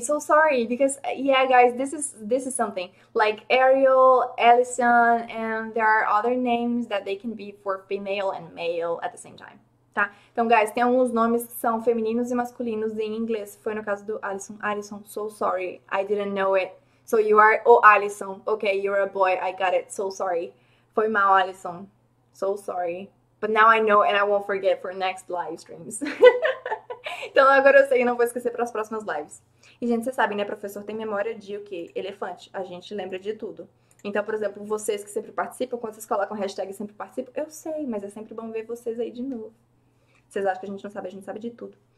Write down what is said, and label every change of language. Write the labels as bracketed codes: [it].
[en] So sorry because yeah, guys, this is something. Like Ariel, Allison, and there are other names that they can be for female and male at the same time. [pt] Tá? Então, guys, tem alguns nomes que são femininos e masculinos em inglês. Foi no caso do Allison. [en] Allison, so sorry. I didn't know it. So you are oh, Allison. Okay, you're a boy. I got it. So sorry. [pt] Foi mal, Allison. [en] So sorry. But now I know and I won't forget for next live streams. [pt] Então agora eu sei e não vou esquecer para as próximas lives. E, gente, vocês sabem, né? Professor tem memória de o quê? Elefante. A gente lembra de tudo. Então, por exemplo, vocês que sempre participam, quando vocês colocam hashtag sempre participam, eu sei, mas é sempre bom ver vocês aí de novo. Vocês acham que a gente não sabe? A gente sabe de tudo.